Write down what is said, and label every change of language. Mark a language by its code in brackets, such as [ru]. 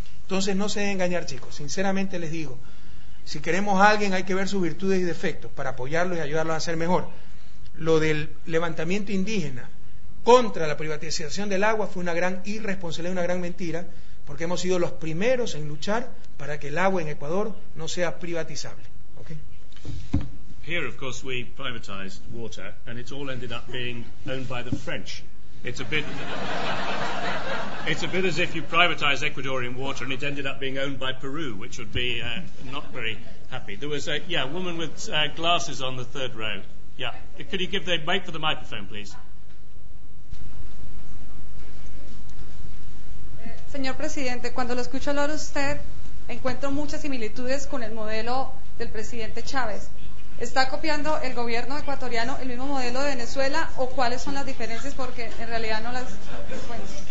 [es] Entonces no se deben engañar, chicos. Sinceramente les digo, si queremos a alguien hay que ver sus virtudes y defectos para apoyarlos y ayudarlos a ser mejor. Lo del levantamiento indígena contra la privatización del agua fue una gran irresponsabilidad, una gran mentira, porque hemos sido los primeros en luchar para que el agua en Ecuador no sea privatizable. [en] ¿Okay? Here, of course, we privatized water and it all ended up being owned by the French. It's a bit as if you privatize Ecuadorian water and it ended up being owned by Peru, which would be not very happy. There was a woman with glasses on the third row. Yeah. Could you give the mic for the microphone, please? [es] Señor presidente, cuando lo escucho hablar usted, encuentro muchas similitudes con el modelo del presidente Chávez. ¿Está copiando el gobierno ecuatoriano el mismo modelo de Venezuela o cuáles son las diferencias? Porque en realidad no las encuentro.